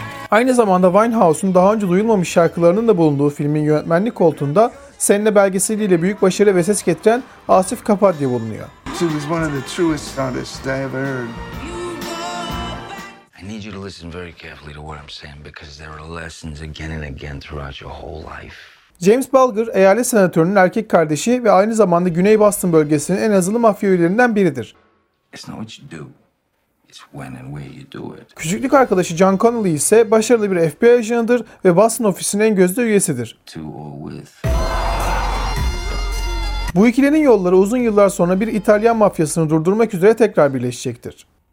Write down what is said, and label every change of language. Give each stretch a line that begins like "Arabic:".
Turkish: Aynı zamanda Winehouse'un daha önce duyulmamış şarkılarının da bulunduğu filmin yönetmenlik koltuğunda Senle belgeseliyle büyük başarı ve ses getiren Asif Kapadya bulunuyor.
English: She was one of the truest artists I ever heard. I need you to listen very carefully to what I'm saying because there are lessons again and again throughout your whole life.
Turkish: James Bulger, eyalet senatörünün erkek kardeşi ve aynı zamanda Güney Boston bölgesinin en azılı mafya üyelerinden biridir.
English: It's not what you do, it's when and where you do it.
Turkish: Küçüklük arkadaşı John Connolly ise başarılı bir FBI ajanıdır ve Boston ofisinin en gözde üyesidir. Bu ikilinin yolları uzun yıllar sonra bir İtalyan mafyasını durdurmak üzere tekrar birleşecektir.